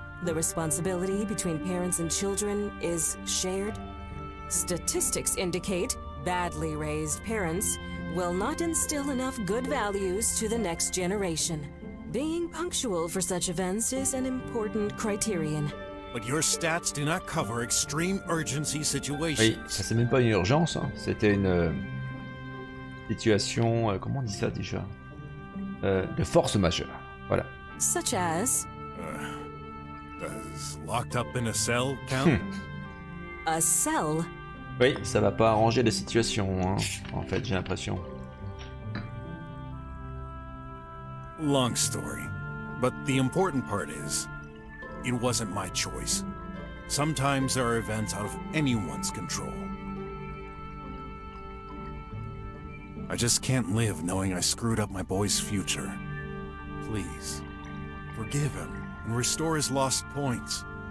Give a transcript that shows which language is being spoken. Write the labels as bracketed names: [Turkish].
[English] The responsibility between parents and children is shared. Statistics indicate badly raised parents will not instill enough good values to the next generation. Being punctual for such events is an important criterion. But your stats do not cover extreme urgency situations. [French] Oui, ça c'est même pas une urgence, hein. C'était une situation, comment on dit ça déjà, de force majeure, voilà. [English] Such as? Does locked up in a cell count? A cell? [French] Oui, ça va pas arranger la situation, hein, en fait, j'ai l'impression. [English] Long story, but the important part is, it wasn't my choice. Sometimes there are events out of anyone's control. I just can't live knowing I screwed up my boy's future. Please, forgive him and restore his lost points.